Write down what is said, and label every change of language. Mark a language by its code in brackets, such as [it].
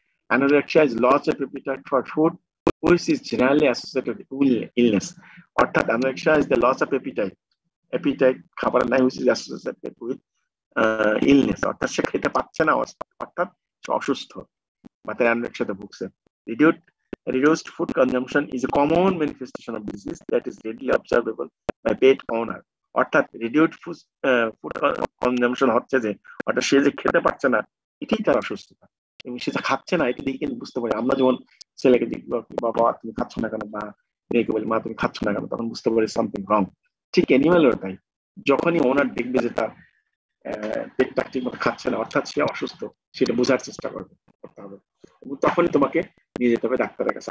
[en] anorexia is loss appetite for food which is generally associated illness অর্থাৎ anorexia is the loss of appetite, appetite [bn] খাবার নাই, [en] which is associated with illness [bn] অর্থাৎ সে খেতে পাচ্ছে না, অর্থাৎ অসুস্থ বা তার অ্যানোরেক্সিয়াতে ভুগছে। [en] Reduced food consumption is a common manifestation of disease that is readily observable by pet owner. [bn] অর্থাৎ [en] reduced food consumption [bn] হচ্ছে যে অর্থাৎ সে যে খেতে পারছে না এটাই তার অসুস্থতা, এবং সে যে খাচ্ছে না এটা দিয়ে কিন্তু বুঝতে পারি। আমরা যেমন ছেলেকে দেখবো বাবা তুমি খাচ্ছ না কেন, বা মেয়েকে বলি মা তুমি খাচ্ছ না কেন, তখন বুঝতে পারি [en] Something wrong. [bn] ঠিক অ্যানিমেলও তাই, যখনই ওনার দেখবে যে তার পেটটা ঠিক মতো খাচ্ছে না অর্থাৎ সে অসুস্থ, সেটা বোঝার চেষ্টা করবে করতে হবে, এবং তখনই তোমাকে নিয়ে যেতে হবে ডাক্তারের কাছে।